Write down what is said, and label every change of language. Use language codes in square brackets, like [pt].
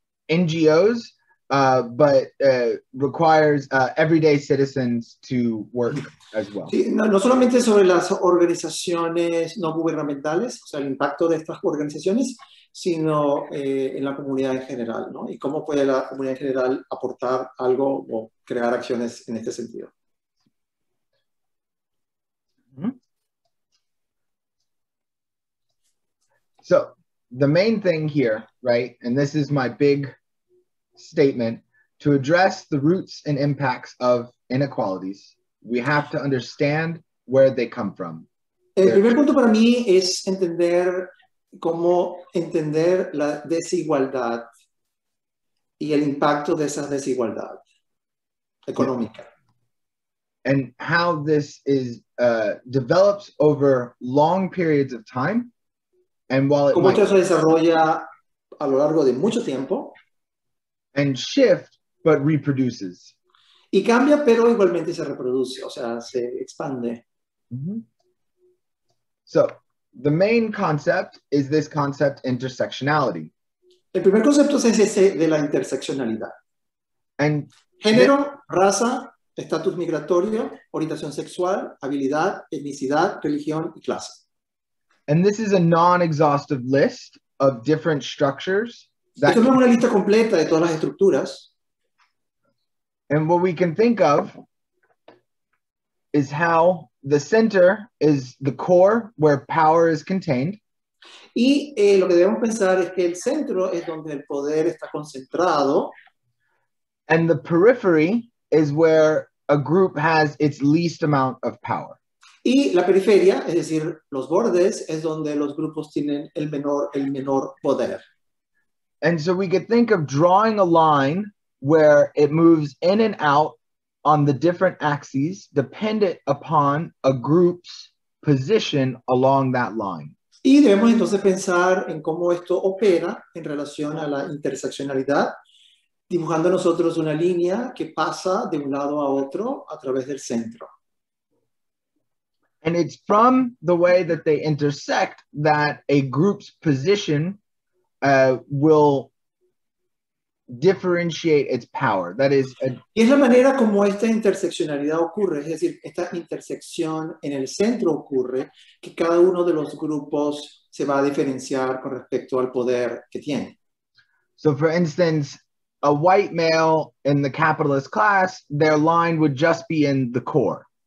[en] NGOs, but requires everyday citizens to work as well. [es] Sí, no solamente sobre las organizaciones no gubernamentales, o sea, el impacto de estas organizaciones, sino en la comunidad en general, ¿no? Y cómo puede la comunidad en general aportar algo o crear acciones en este sentido. [en] So, the main thing here, right, and this is my big statement, to address the roots and impacts of inequalities, we have to understand where they come from. [es] El primer punto para mí es entender cómo entender la desigualdad y el impacto de esa desigualdad económica. [en] Yeah. And how this is develops over long periods of time, and while it [es] como might se desarrolla a lo largo de mucho tiempo, [en] and shift but reproduces, [es] Y cambia, pero igualmente se reproduce, o sea, se expande. [en] So, the main concept is this concept intersectionality. [es] El primer concepto es ese de la interseccionalidad. [en] And [es] género, raza, estatus migratorio, orientación sexual, habilidad, etnicidad, religión y clase. [en] And this is a non-exhaustive list of different structures. [es] Esto no es una lista completa de todas las estructuras. [en] And what we can think of is how the center is the core where power is contained. [es] Y lo que debemos pensar es que el centro es donde el poder está concentrado. [en] And the periphery is where a group has its least amount of power. [es] Y la periferia, es decir, los bordes, es donde los grupos tienen el menor poder. [en] And so we could think of drawing a line where it moves in and out on the different axes dependent upon a group's position along that line. [es] Y debemos entonces pensar en cómo esto opera en relación a la interseccionalidad, dibujando nosotros una línea que pasa de un lado a otro a través del centro. [en] And it's from the way that they intersect that a group's position will differentiate its power. That is, [es] y es la manera como esta interseccionalidad ocurre, es decir, esta intersección en el centro ocurre, que cada uno de los grupos se va a diferenciar con respecto al poder que tiene. [en] So, for instance, a white male in the capitalist class, their line would just be in the core.